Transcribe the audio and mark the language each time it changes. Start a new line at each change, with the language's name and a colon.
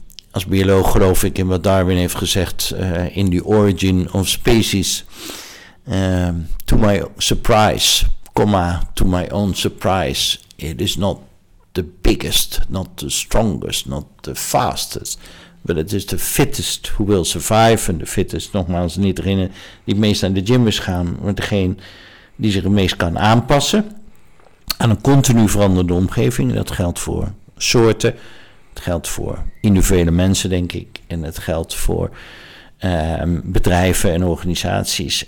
Dutch: Als bioloog geloof ik in wat Darwin heeft gezegd, in the origin of species.
English: To my surprise, to my own surprise, it is not the biggest, not the strongest, not the fastest, but it is the fittest who will survive. And the fittest,
Dutch: nogmaals, niet degene die het meest naar de gym is gaan, maar degene die zich het meest kan aanpassen aan een continu veranderde omgeving. Dat geldt voor soorten, het geldt voor individuele mensen, denk ik, en het geldt voor bedrijven en organisaties.